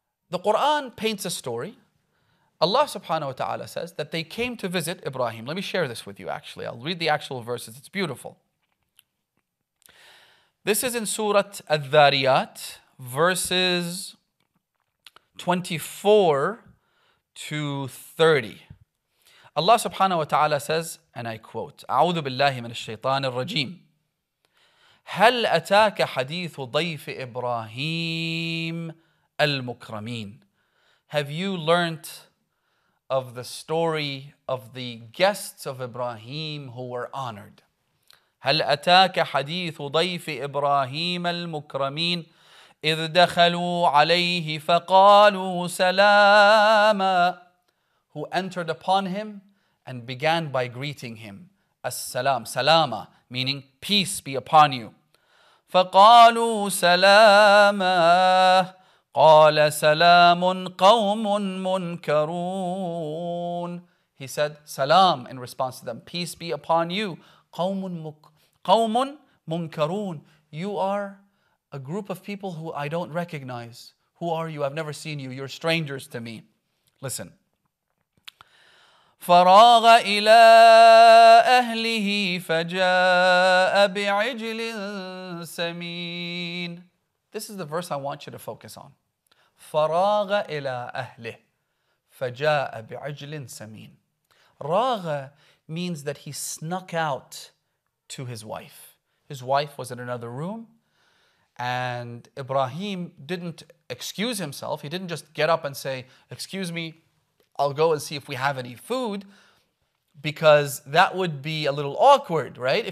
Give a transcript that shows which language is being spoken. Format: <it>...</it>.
<en>The Quran paints a story. Allah subhanahu wa ta'ala says that they came to visit Ibrahim. Let me share this with you actually. I'll read the actual verses. It's beautiful. This is in Surah Al-Dhariyat, verses 24 to 30. Allah subhanahu wa ta'ala says, and I quote,</en> <ar>أعوذ بالله من الشيطان الرجيم هل أتاك حديث ضيف إبراهيم المكرمين.</ar> <en>Have you learnt of the story of the guests of Ibrahim who were honored?</en> <ar>هل أتاك حديث ضيف إبراهيم المكرمين إذ دخلوا عليه فقالوا سلاما.</ar> <en>Who entered upon him and began by greeting him. As-salam, salama, meaning peace be upon you.</en> <ar>فَقَالُوا سَلَامًا قَالَ سَلَامٌ قَوْمٌ مُنْكَرُونَ.</ar> <en>He said, salam, in response to them. Peace be upon you.</en> <ar>قَوْمٌ مُنْكَرُونَ.</ar> <en>You are a group of people who I don't recognize. Who are you? I've never seen you. You're strangers to me. Listen.</en> <ar>فراغ إلى أهله فجاء بعجل سمين.</ar> <en>This is the verse I want you to focus on.</en> <ar>فراغ إلى أهله فجاء بعجل سمين.</ar> <en>راغ means that he snuck out to his wife. His wife was in another room and Ibrahim didn't excuse himself. He didn't just get up and say, excuse me, I'll go and see if we have any food, because that would be a little awkward, right?</en>